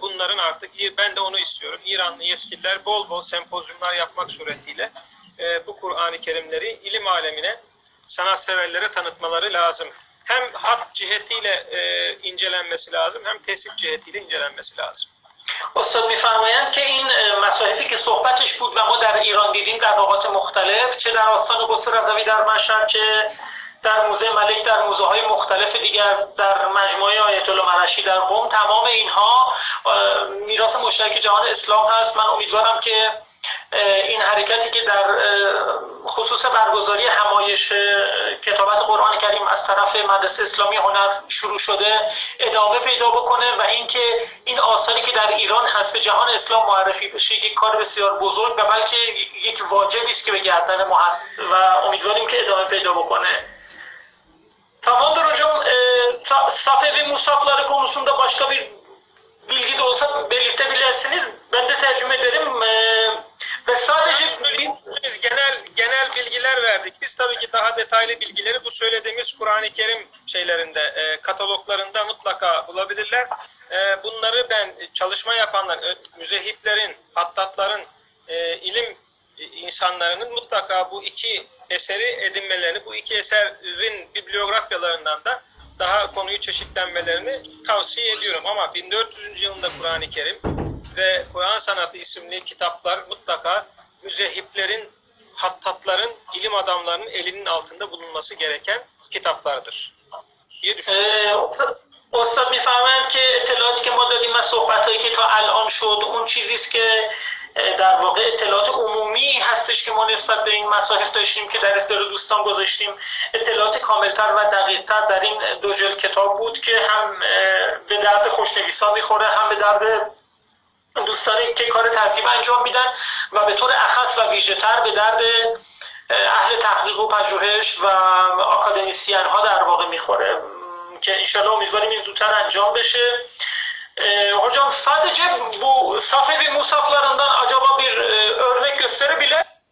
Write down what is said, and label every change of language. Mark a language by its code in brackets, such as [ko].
[tr] Bunların artık, ben de onu istiyorum. İranlı yetkililer bol bol sempozyumlar yapmak suretiyle bu Kur'an-ı Kerimleri ilim alemine, sanatseverlere tanıtmaları lazım. Hem hat cihetiyle incelenmesi lazım, hem tesip cihetiyle incelenmesi lazım. [fa] استاد می فرمایند که این مصاحفی که صحبتش بود و ما در ایران دیدیم در نقاط مختلف، چه در آستان قصر رضوی در مشهد، چه در موزه ملک، در موزه های مختلف دیگر، در مجموعه آیت الله مرعشی در قم، تمام اینها میراث مشترک جهان اسلام هست. من امیدوارم که این حرکتی که در خصوص برگزاری همایش کتابت قرآن کریم از طرف مدرسه اسلامی هنر شروع شده ادامه پیدا بکنه و اینکه این آثاری که در ایران هست به جهان اسلام معرفی بشه یک کار بسیار بزرگ و بلکه یک واجبی است که به گردن ما هست و امیدواریم که ادامه پیدا بکنه. [tr] Tamamdır hocam. Safevi musafları konusunda başka bir bilgi de olsa belirtebilirsiniz. Ben de tercüme ederim. Ve sadece biz genel bilgiler verdik. Biz tabii ki daha detaylı bilgileri bu söylediğimiz Kur'an-ı Kerim şeylerinde, kataloglarında mutlaka bulabilirler. Bunları ben çalışma yapanlar, müzehiplerin, hattatların, ilim insanlarının mutlaka bu iki eseri edinmelerini, bu iki eserin bibliografyalarından da daha konuyu çeşitlenmelerini tavsiye ediyorum. Ama 1400. yılında Kur'an-ı Kerim ve Kur'an Sanatı isimli kitaplar mutlaka müzehiplerin, hattatların, ilim adamlarının elinin altında bulunması gereken kitaplardır diye düşünüyorum. [fa] Ustad میفهمند که اطلاعاتی که ما دادیم و صحبتهایی که تا الان شد اون چیزیست که در واقع اطلاعات عمومی هستش که ما نسبت به این مصاحف داشتیم که در اختیار دوستان گذاشتیم. اطلاعات کاملتر و دقیقتر در این دو جلد کتاب بود که هم به درد خوشنویسان میخوره، هم به درد دوستانی که کار ترتیب انجام میدن، و به طور اخص و ویژه‌تر به درد اهل تحقیق و پژوهش و آکادمیسیان ها در واقع میخوره، که انشالله امیدواریم این زودتر انجام بشه. [tr] Hocam sadece bu Safevi musaflarından acaba bir örnek gösterebilir?